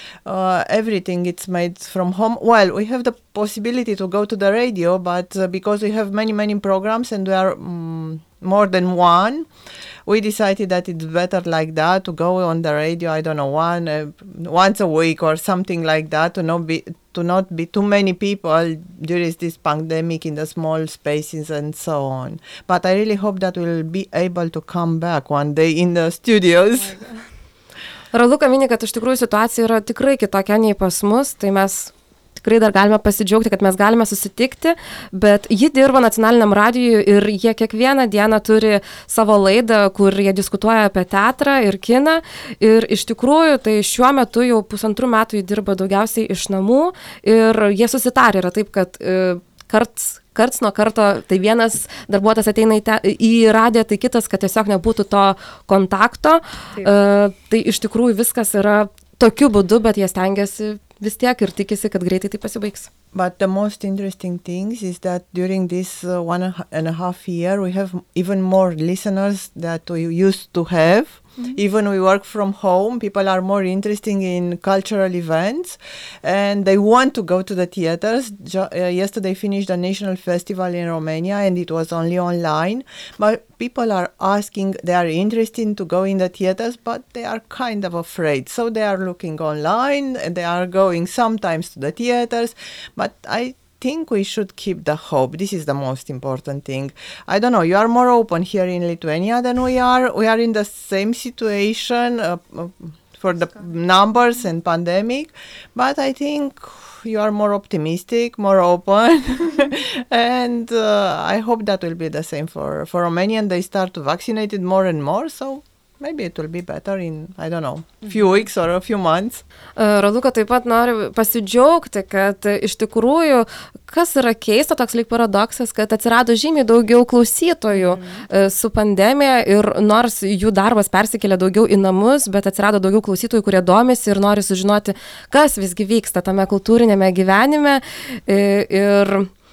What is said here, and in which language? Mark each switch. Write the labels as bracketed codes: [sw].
[en] Everything it's made from home. Well, we have the possibility to go to the radio, but because we have many, many programs and we are more than one, we decided that it's better like that, to go on the radio, I don't know, once a week or something like that, to not be to not be too many people during this pandemic in the small spaces and so on. But I really hope that we'll be able to come back one day in the studios. [lt] Raluka mini, kad iš tikrųjų situacija yra tikrai kitokia nei pas mus, tai mes tikrai dar galime pasidžiaugti, kad mes galime susitikti, bet ji dirba nacionaliniam radijui ir jie kiekvieną dieną turi savo laidą, kur jie diskutuoja apie teatrą ir kiną. Ir iš tikrųjų, tai šiuo metu jau 1,5 metų jį dirba daugiausiai iš namų ir jie susitarė yra taip, kad karts nuo karto, tai vienas darbuotas ateina į radiją, tai kitas, kad tiesiog nebūtų to kontakto. Tai iš tikrųjų viskas yra tokiu būdu, bet jie stengiasi vis tiek ir tikisi, kad greitai tai pasibaigs. [en] But the most interesting thing is that during this 1.5 year, we have even more listeners that we used to have. Mm-hmm. Even we work from home, people are more interested in cultural events and they want to go to the theaters. Yesterday finished the National Festival in Romania and it was only online. But people are asking, they are interested to go in the theaters, but they are kind of afraid. So they are looking online and they are going sometimes to the theaters. But I think we should keep the hope. This is the most important thing. I don't know, you are more open here in Lithuania than we are. We are in the same situation for the numbers and pandemic. But I think you are more optimistic, more open. And I hope that will be the same for Romania. They start to vaccinate it more and more, so maybe it will be better in, I don't know, few weeks or a few months. [lt] Raluka taip pat nori pasidžiaugti, kad iš tikrųjų, kas yra keista, toks lyg paradoksas, kad atsirado žymiai daugiau klausytojų su pandemija ir nors jų darbas persikėlė daugiau į namus, bet atsirado daugiau klausytojų, kurie domisi ir nori sužinoti, kas visgi vyksta tame kultūrinėme gyvenime ir...